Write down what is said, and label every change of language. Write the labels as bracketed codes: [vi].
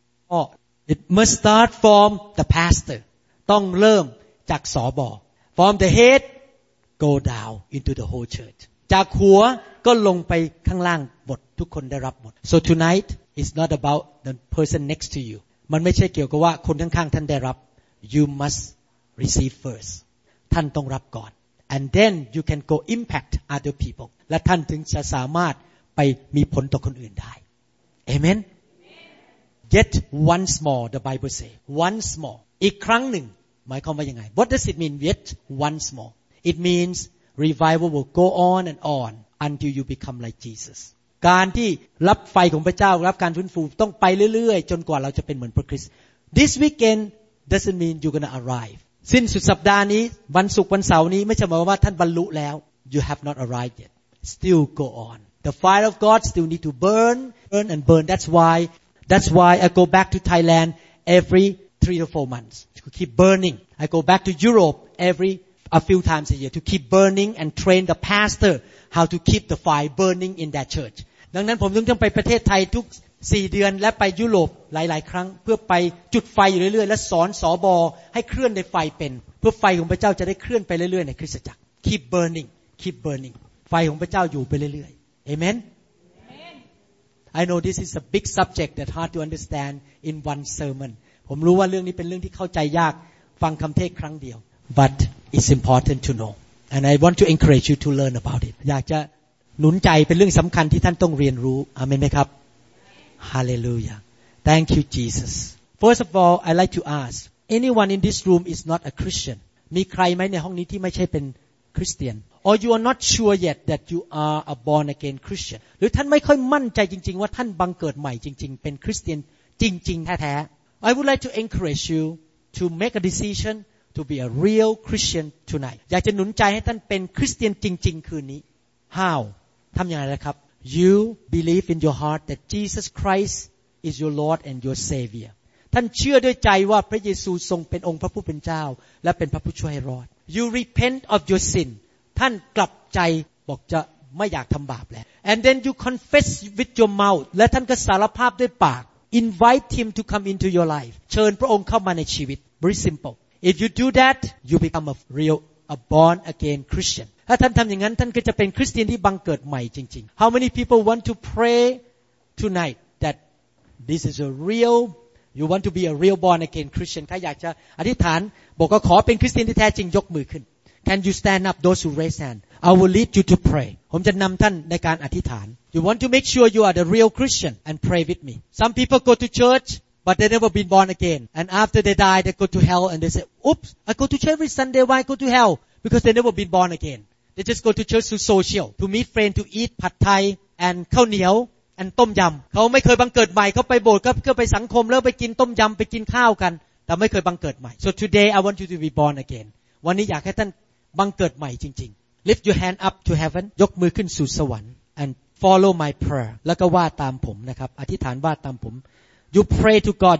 [th] พ่อ [en] It must start from the pastor [th] ต้องเริ่มจากสบอ [en] From the head go down into the whole church [th] จากหัวก็ลงไปข้างล่างหมดทุกคนได้รับหมด [en] So tonight is not about the person next to you [th] มันไม่ใช่เกี่ยวกับว่าคนข้างๆท่านได้รับ [en] You must receive first [th] ท่านต้องรับก่อน [en] And then you can go impact other people. [th] และท่านถึงจะสามารถไปมีผลต่อคนอื่นได้ Amen. [en] Get once more, the Bible says. Once more. [th] อีกครั้งหนึ่งหมายความว่ายังไง [en] What does it mean, yet once more? It means revival will go on until you become like Jesus. [th] การที่รับไฟของพระเจ้ารับการฟื้นฟูต้องไปเรื่อยๆจนกว่าเราจะเป็นเหมือนพระคริสต์ [en] This weekend doesn't mean you're going to arrive. [th] สิ้นสุดสัปดาห์นี้วันศุกร์วันเสาร์นี้ไม่ใช่หมายว่าท่านบรรลุแล้ว [en] You have not arrived yet. Still go on. The fire of God still need to burn and burn. That's why I go back to Thailand every 3 to 4 months to keep burning. I go back to Europe a few times a year to keep burning and train the pastor how to keep the fire burning in that church. [th] ดังนั้นผมต้องไปประเทศไทยทุก4เดือนและไปยุโรปหลายๆครั้งเพื่อไปจุดไฟอยู่เรื่อยๆและสอนสบให้เคลื่อนในไฟเป็นเพื่อไฟของพระเจ้าจะได้เคลื่อนไปเรื่อยๆในคริสตจักร [en] keep burning [th] ไฟของพระเจ้าอยู่ไปเรื่อยๆ amen [en] I know this is a big subject that hard to understand in one sermon [th] ผมรู้ว่าเรื่องนี้เป็นเรื่องที่เข้าใจยากฟังคำเทศครั้งเดียว [en] but it's important to know and I want to encourage you to learn about it [th] อยากจะหนุนใจเป็นเรื่องสำคัญที่ท่านต้องเรียนรู้ [en] amen [th] ไหมครับ [en] Hallelujah. Thank you, Jesus. First of all, I'd like to ask, anyone in this room is not a Christian. [th] มีใครไหมในห้องนี้ที่ไม่ใช่เป็นคริสเตียน [en] Or you are not sure yet that you are a born again Christian. [th] หรือท่านไม่ค่อยมั่นใจจริงๆว่าท่านบังเกิดใหม่จริงๆเป็นคริสเตียนจริงๆแท้ๆ [en] I would like to encourage you to make a decision to be a real Christian tonight. [th] อยากจะหนุนใจให้ท่านเป็นคริสเตียนจริงๆคืนนี้ [en] How? [th] ทำยังไงล่ะครับ [en] You believe in your heart that Jesus Christ is your Lord and your Savior. [th] ท่านเชื่อด้วยใจว่าพระเยซูทรงเป็นองค์พระผู้เป็นเจ้าและเป็นพระผู้ช่วยให้รอด [en] You repent of your sin. [th] ท่านกลับใจบอกจะไม่อยากทำบาปแล้ว [en] And then you confess with your mouth. [th] และท่านก็สารภาพด้วยปาก [en] Invite him to come into your life. [th] เชิญพระองค์เข้ามาในชีวิต [en] Very simple. If you do that, you become a born again Christian. [th] ถ้าท่านทำอย่างนั้นท่านก็จะเป็นคริสเตียนที่บังเกิดใหม่จริงๆ [en] How many people want to pray tonight that this is a real you want to be a real born again Christian [th] ถ้าอยากจะอธิษฐานบอกก็ขอเป็นคริสเตียนที่แท้จริงยกมือขึ้น [en] Can you stand up those who raise hand I will lead you to pray [th] ผมจะนำท่านในการอธิษฐาน [en] You want to make sure you are the real Christian and pray with me Some people go to churchBut they never been born again. And after they die, they go to hell and they say, Oops, I go to church every Sunday. Why I go to hell? Because they never been born again. They just go to church to social, to meet friends, to eat pad thai and khao niao and tom yum. [th] เขาไม่เคยบังเกิดใหม่เขาไปโบสถ์ก็เพื่อไปสังคมแล้วไปกินต้มยำไปกินข้าวกันแต่ไม่เคยบังเกิดใหม่ [en] So today I want you to be born again. [th] วันนี้อยากให้ท่านบังเกิดใหม่จริงๆ [en] Lift your hand up to heaven. [th] ยกมือขึ้นสู่สวรรค์ [en] and follow my prayer. [th] แล้วก็ว่าตามผมนะครับอธิษฐานว่าตามผม [en] You pray to God.